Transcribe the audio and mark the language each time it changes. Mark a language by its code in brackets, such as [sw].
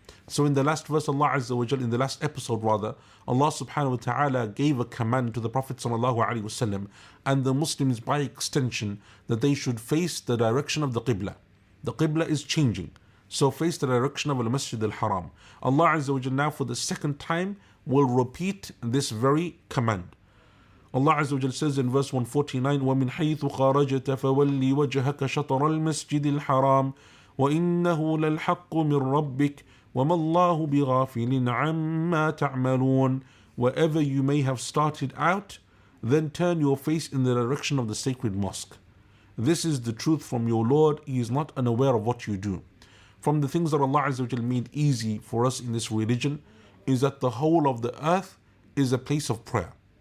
[en] So in the last verse, Allah Azza wa Jal, in the last episode rather, Allah subhanahu wa ta'ala gave a command to the Prophet sallallahu alayhi wa sallam and the Muslims by extension, that they should face the direction of the Qibla. The Qibla is changing. So face the direction of Al-Masjid Al-Haram. Allah Azza wa Jalla now for the second time will repeat this very command. Allah Azza wa Jalla says in verse 149, [ar] وَمِنْ حَيْثُ خَارَجَتَ فَوَلِّي وَجْهَكَ شَطَرَ الْمَسْجِدِ الْحَرَامِ وَإِنَّهُ لَلْحَقُّ مِنْ رَبِّكَ وَمَا اللَّهُ بِغَافِلٍ عَمَّا تَعْمَلُونَ. [en] Wherever you may have started out, then turn your face in the direction of the sacred mosque. This is the truth from your Lord. He is not unaware of what you do. From the things that Allah Azza wa Jalla made easy for us in this religion is that the whole of the earth is a place of prayer.